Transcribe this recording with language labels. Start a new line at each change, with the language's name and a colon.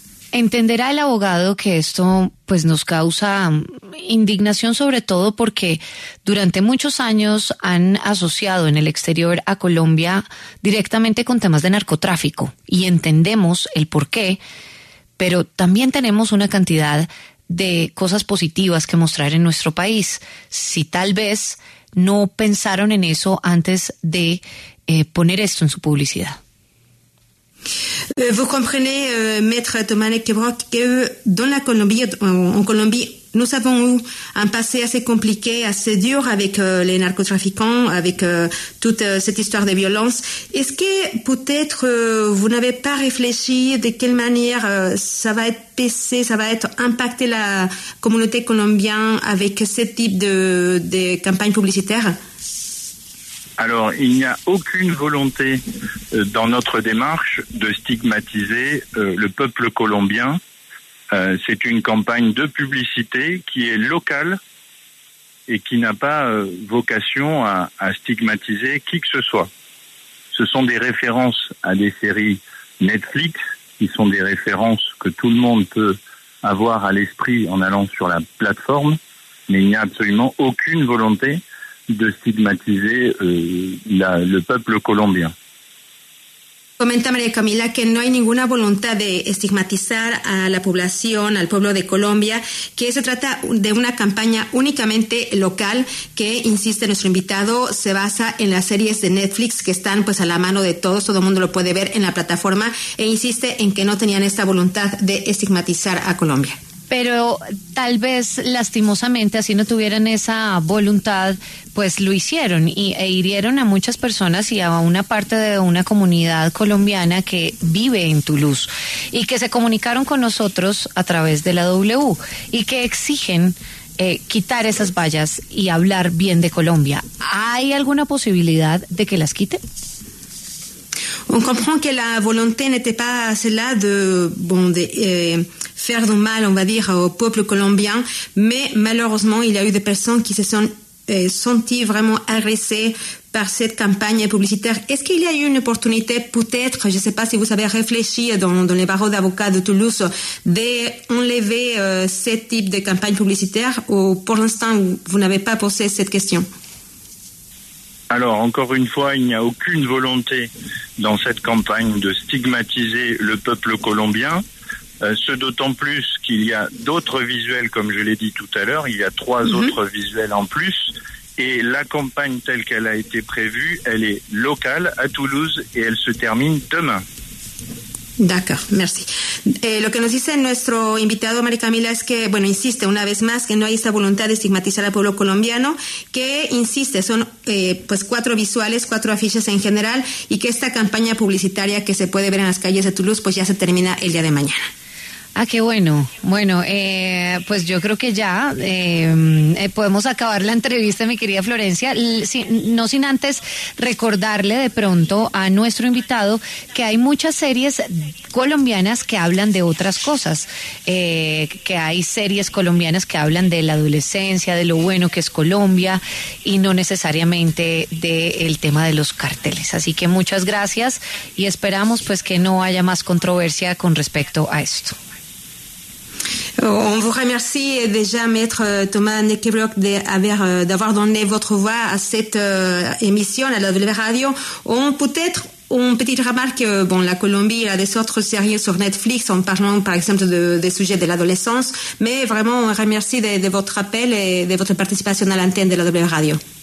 Spanish: Entenderá el abogado que esto pues nos causa indignación, sobre todo porque durante muchos años han asociado en el exterior a Colombia directamente con temas de narcotráfico y entendemos el porqué, pero también tenemos una cantidad de cosas positivas que mostrar en nuestro país. Si tal vez no pensaron en eso antes de poner esto en su publicidad.
French: Vous comprenez, maître Thomas Neckebrock, que dans la Colombie, en Colombie, nous avons eu un passé assez compliqué, assez dur avec les narcotrafiquants, avec toute cette histoire de violence. Est-ce que peut-être vous n'avez pas réfléchi de quelle manière ça va être pesé, ça va être impacté la communauté colombienne avec ce type de campagne publicitaire? Alors, il n'y a aucune volonté dans notre démarche de stigmatiser le peuple colombien. C'est une campagne de publicité qui est locale et qui n'a pas vocation à stigmatiser qui que ce soit. Ce sont des références à des séries Netflix qui sont des références que tout le monde peut avoir à l'esprit en allant sur la plateforme, mais il n'y a absolument aucune volonté de stigmatiser le peuple colombien.
Spanish: Comenta María Camila que no hay ninguna voluntad de estigmatizar a la población, al pueblo de Colombia, que se trata de una campaña únicamente local que, insiste nuestro invitado, se basa en las series de Netflix que están pues a la mano de todos, todo el mundo lo puede ver en la plataforma, e insiste en que no tenían esta voluntad de estigmatizar a Colombia. Pero tal vez lastimosamente, así no tuvieran esa voluntad, pues lo hicieron e hirieron a muchas personas y a una parte de una comunidad colombiana que vive en Toulouse y que se comunicaron con nosotros a través de la W y que exigen quitar esas vallas y hablar bien de Colombia. ¿Hay alguna posibilidad de que las quiten?
French: On comprend que la volonté n'était pas celle-là de faire du mal, on va dire, au peuple colombien, mais malheureusement, il y a eu des personnes qui se sont senties vraiment agressées par cette campagne publicitaire. Est-ce qu'il y a eu une opportunité, peut-être, je ne sais pas si vous avez réfléchi dans les barreaux d'avocats de Toulouse, d'enlever ce type de campagne publicitaire, ou pour l'instant, vous n'avez pas posé cette question? Alors, encore une fois, il n'y a aucune volonté dans cette campagne de stigmatiser le peuple colombien, ce d'autant plus qu'il y a d'autres visuels, comme je l'ai dit tout à l'heure, il y a trois autres visuels en plus, et la campagne telle qu'elle a été prévue, elle est locale à Toulouse et elle se termine demain. D'accord, merci.
Spanish: Lo que nos dice nuestro invitado, María Camila, es que, bueno, insiste una vez más que no hay esta voluntad de estigmatizar al pueblo colombiano, que, insiste, son pues cuatro visuales, cuatro afiches en general, y que esta campaña publicitaria que se puede ver en las calles de Toulouse, pues ya se termina el día de mañana. Ah, qué bueno. Bueno, pues yo creo que ya podemos acabar la entrevista, mi querida Florencia, no sin antes recordarle de pronto a nuestro invitado que hay muchas series colombianas que hablan de otras cosas, que hay series colombianas que hablan de la adolescencia, de lo bueno que es Colombia y no necesariamente del tema de los carteles. Así que muchas gracias y esperamos pues que no haya más controversia con respecto a esto.
French: On vous remercie déjà, Maître Thomas Nekebrock, d'avoir donné votre voix à cette émission, à la W Radio. Peut-être une petite remarque, la Colombie a des autres séries sur Netflix en parlant par exemple des sujets de l'adolescence, mais vraiment on remercie de votre appel et de votre participation à l'antenne de la W Radio.